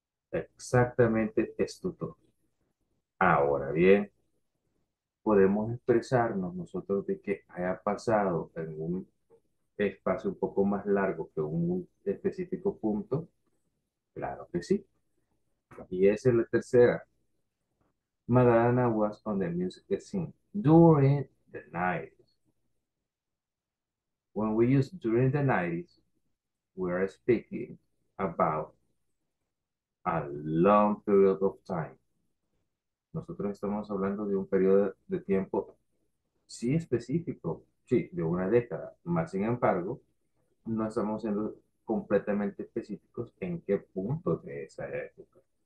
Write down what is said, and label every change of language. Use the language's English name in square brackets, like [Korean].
[Spanish] Exactamente esto todo. Ahora bien, podemos expresarnos nosotros de que haya pasado en un espacio un poco más largo que un específico punto, claro que sí. Y esa es la tercera. [English] Madonna was on the music scene during the 90s. When we use during the 90s, we are speaking about a long period of time. [Spanish] Nosotros estamos hablando de un periodo de tiempo, sí específico, sí, de una década. Más sin embargo, no estamos siendo completamente específicos en qué punto de esa época.